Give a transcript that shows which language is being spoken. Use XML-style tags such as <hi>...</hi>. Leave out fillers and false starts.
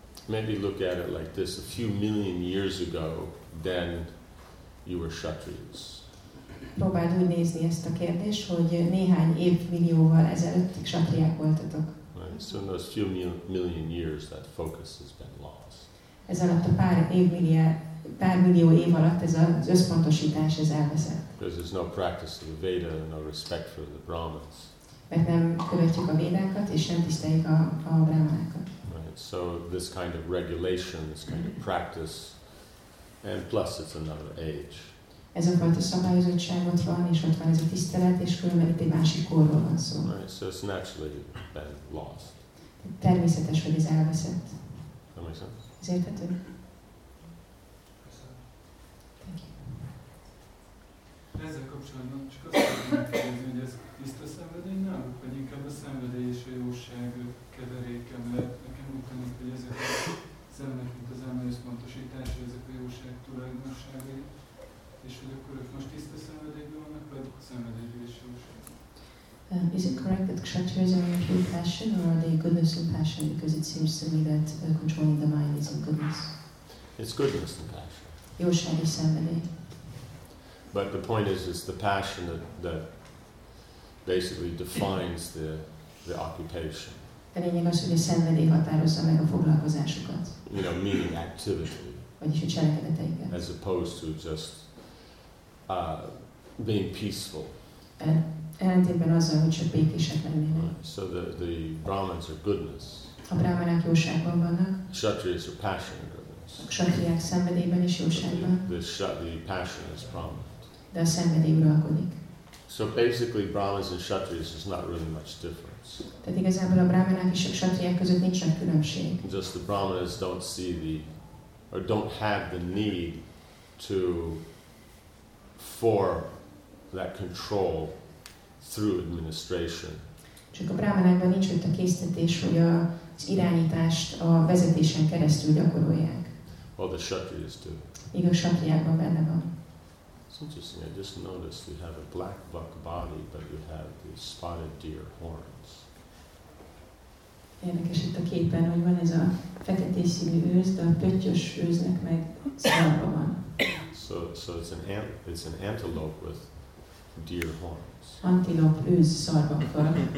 <en>Maybe look at it like this. A few million years ago, then you were kshatriyas.</en> <hu>Próbáld úgy nézni ezt a kérdést, hogy néhány évmillióval ezelőtt kshatriák voltatok.</hu> <en>Right. So in those few million years, that focus has been lost.</en> <hu>Ez alatt a pár millió év alatt ez az összpontosítás ez elveszett.</hu> <en>Because there's no practice of the Veda, no respect for the Brahmins.</en> <hu>Mert nem követjük a védákat, és nem tiszteljük a brahmanákat.</hu> <en>Right. So this kind of regulation, this kind of practice, and plus it's another age.</en> <hu>Ez a fajta szabályozottság ott van, és ott van ez a tisztelet, és különben itt egy másik korról van szó.</hu> <en>Right. So it's naturally been lost.</en> <hu>Természetes, hogy ez elveszett.</hu> <en>That makes sense?</en> <hu>Ez érthető?</hu> <en>Thank you.</en> <hu>Ezzel kapcsolatban csak azt mondom, hogy ez tiszta szenvedély náluk, vagy inkább a szenvedély és a jóság keveréke, mert nekem úgy tűnik, hogy ezek a szemlek, mint az elme összpontosítás, ezek a jóság tulajdonságai, és hogy akkor ők most tiszta szenvedélyben vannak, vagy a szenvedélyben és jóság.</hu> <en>Is it correct that kshatriyas are in pure passion, or are they goodness and passion? Because it seems to me that controlling the mind is in goodness. It's goodness and passion.</en> <hu>Jóság és szenvedély.</hu> <en>But the point is, it's the passion that, that basically defines the occupation.</en> <hu>De lényeg az, hogy a szenvedély határozza meg a foglalkozásukat.</hu> <en>You know, meaning activity.</en> <hu>Vagyis a cselekedeteiket.</hu> <en>As opposed to just being peaceful.</en> <hu>Ellentétben azzal, hogy csak békések lennének.</hu> <en>So the Brahmins are goodness.</en> <hu>A brahmanák jóságban vannak.</hu> <en>Kshatriyas are passion and goodness.</en> <hu>A kshatriyák szenvedélyben és jóságban.</hu> <en>The passion is prominent.</en> <hu>De a szenvedély uralkodik.</hu> <en>So basically, Brahmins and Kshatriyas is not really much difference.</en> <hu>Tehát igazából a brahmanák és a kshatriák között nincs nagy különbség.</hu> <en>Just the brahmanas don't see the, or don't have the need to, for that control through administration.</en> <hu>Csak a brahmanákban nincs ott a késztetés, hogy az irányítást a vezetésen keresztül gyakorolják.</hu> <en>Well, the kshatriyas do.</en> <hu>Míg a kshatriákban benne van.</hu> <en>Interesting. I just noticed you have a black buck body, but you have these spotted deer horns.</en> <hu>Érdekes itt a képen, hogy van ez a feketés színű őz, de a pöttyös őznek meg szarva van.</hu> <en>So it's an antelope with deer horns. Antilope őz szarvakkal.</en>